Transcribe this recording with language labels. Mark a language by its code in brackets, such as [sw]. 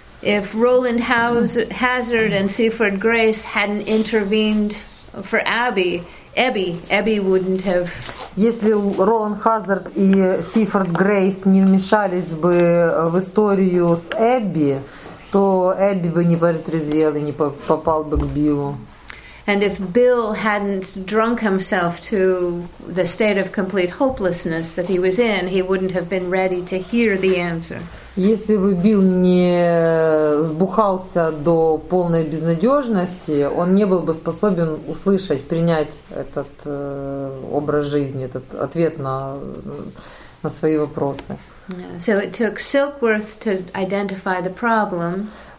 [en] If Roland Hazard and Seaford Grace hadn't intervened for Abby, Abby wouldn't have. [ru] Если Роланд Хазард и Сифорд Грейс не вмешались бы в историю с Эбби, то Эбби бы не протрезвел и не попал бы к Биллу. [en] And if Bill hadn't drunk himself to the state of complete hopelessness that he was in, he wouldn't have been ready to hear the answer. [ru] Если бы Билл не сбухался до полной безнадежности, он не был бы способен услышать, принять этот образ жизни, этот ответ на свои вопросы. [en] So it took Silkworth to identify the problem.